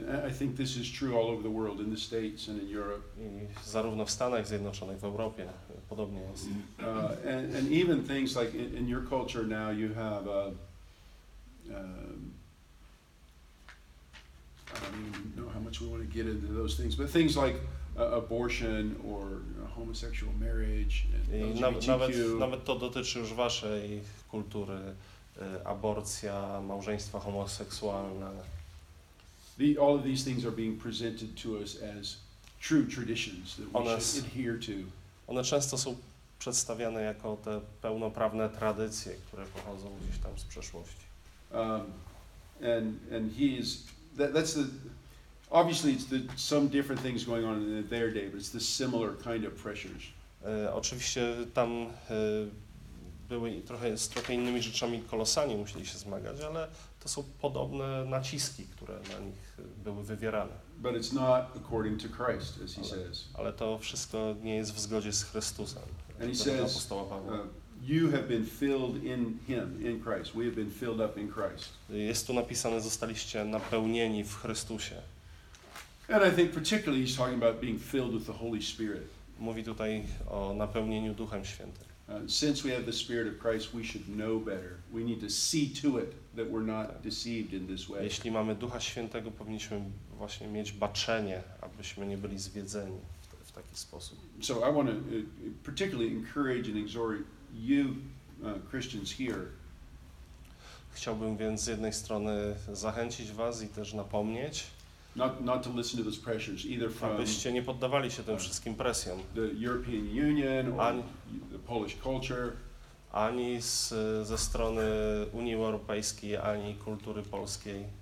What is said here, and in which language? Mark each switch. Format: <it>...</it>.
<en>I think this is true all over the world, in the States and in Europe.</en> <pl>I zarówno w Stanach Zjednoczonych, w Europie, podobnie jest.</pl> <en>And even things like in your culture now, you have I don't even know how much we want to get into those things, but things like abortion or homosexual marriage and LGBTQ.</en> <pl>Nawet to dotyczy już waszej kultury, aborcja, małżeństwa homoseksualne.</pl> <en>All of these things are being presented to us as true traditions that we should adhere to.</en> <pl>One często są przedstawiane jako te pełnoprawne tradycje, które pochodzą gdzieś tam z przeszłości.</pl> <en>And he is that's the obviously it's the some different things going on in their day, but it's the similar kind of pressures.</en> <pl>Oczywiście tam były trochę innymi rzeczami Kolosanie musieli się zmagać, ale to są podobne naciski, które na nich były wywierane.</pl> <en>But it's not according to Christ, as he says.</en> <pl>Ale to wszystko nie jest w zgodzie z Chrystusem.</pl> <en>And he says, you have been filled in him, in Christ. We have been filled up in Christ.</en> <pl>Jest tu napisane, zostaliście napełnieni w Chrystusie.</pl> <en>And I think particularly he's talking about being filled with the Holy Spirit.</en> <pl>Mówi tutaj o napełnieniu Duchem Świętym.</pl> <en>Since we have the Spirit of Christ, we should know better. We need to see to it that we're not deceived in this way.</en> <pl>Jeśli mamy Ducha Świętego, powinniśmy właśnie mieć baczenie, abyśmy nie byli zwiedzeni w taki sposób.</pl> <en>So I want to particularly encourage and exhort you Christians here.</en> <pl>Chciałbym więc z jednej strony zachęcić was i też napomnieć,</pl> <en>not to listen to those pressures either from,</en> <pl>abyście nie poddawali się tym wszystkim presjom,</pl> <en>the European Union or</en> <pl>ani,</pl> <en>the Polish culture,</en> <pl>ani ze strony Unii Europejskiej, ani kultury polskiej,</pl>